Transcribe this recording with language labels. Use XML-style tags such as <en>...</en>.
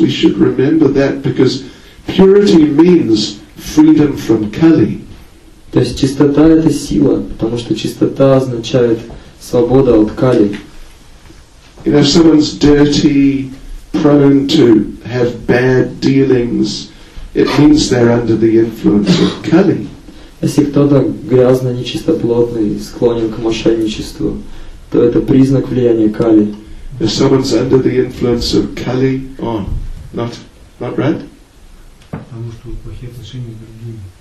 <en>We should remember that because purity means freedom from Kali.</en> <ru>То есть чистота — это сила, потому что чистота означает свобода от Кали.</ru> <en>You know, if someone's dirty, prone to have bad dealings, it means they're under the influence of Kali.</en> <ru>Если кто-то грязный, нечистоплотный, склонен к мошенничеству, то это признак влияния Кали.</ru> <en>If someone's under the influence of Kali, oh, not right?</en> <ru>Потому что плохие отношения с другими.</ru>